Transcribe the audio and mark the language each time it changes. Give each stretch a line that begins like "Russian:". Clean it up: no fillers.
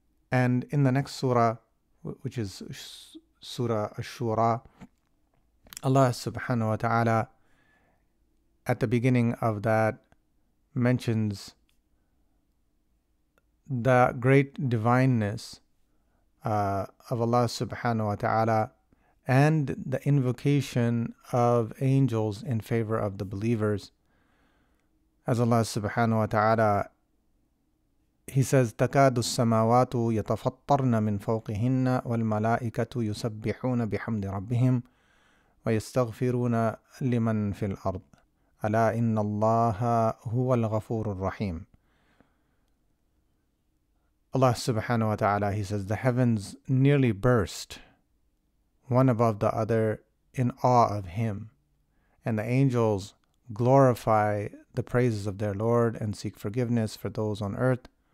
English: And in the next surah, which is Surah Ash-Shura, Allah subhanahu wa ta'ala, at the beginning of that, mentions the great divineness of Allah subhanahu wa ta'ala and the invocation of angels in favor of the believers. As Allah subhanahu wa ta'ala, he says,
Arabic: تَكَادُ السَّمَاوَاتُ يَتَفَطَّرْنَ مِنْ فَوْقِهِنَّ وَالْمَلَائِكَةُ يُسَبِّحُونَ بِحَمْدِ رَبِّهِمْ وَيَسْتَغْفِرُونَ لِمَنْ فِي الْأَرْضِ أَلَا إِنَّ اللَّهَ هُوَ الْغَفُورُ الرَّحِيمُ.
English: Allah subhanahu wa ta'ala, he says, the heavens nearly burst one above the other in awe of him, and the angels glorify the praises of their Lord and seek forgiveness for those on earth.